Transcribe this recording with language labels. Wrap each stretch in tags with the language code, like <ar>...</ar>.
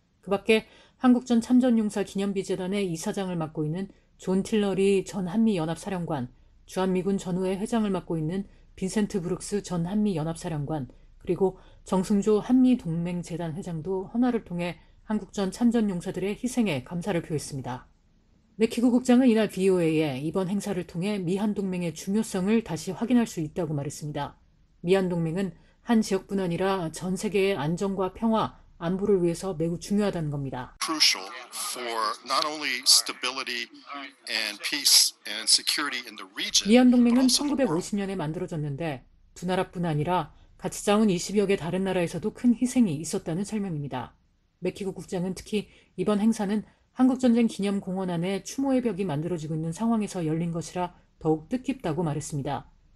<ko>그 밖에 한국전 참전용사 기념비재단의 이사장을 맡고 있는 존 틸러리 전 한미연합사령관, 주한미군 전우회 회장을 맡고 있는 빈센트 브룩스 전 한미연합사령관, 그리고 정승조 한미동맹재단 회장도 헌화를 통해 한국전 참전용사들의 희생에 감사를 표했습니다. 맥히그 국장은 이날 VOA에 이번 행사를 통해 미한동맹의 중요성을 다시 확인할 수 있다고 말했습니다. 미한동맹은 한 지역뿐 아니라 전 세계의 안정과 평화, 안보를 위해서 매우 중요하다는 겁니다.</ko> <en>Crucial for not only stability and peace and security in the region.</en> <ko>미한동맹은 1950년에 만들어졌는데 두 나라뿐 아니라 같이 싸운 20여 개 다른 나라에서도 큰 희생이 있었다는 설명입니다. 맥히그 국장은 특히 이번 행사는 한국전쟁 기념공원 안에 추모의 벽이 만들어지고 있는 상황에서 열린 것이라 더욱 뜻깊다고 말했습니다.</ko>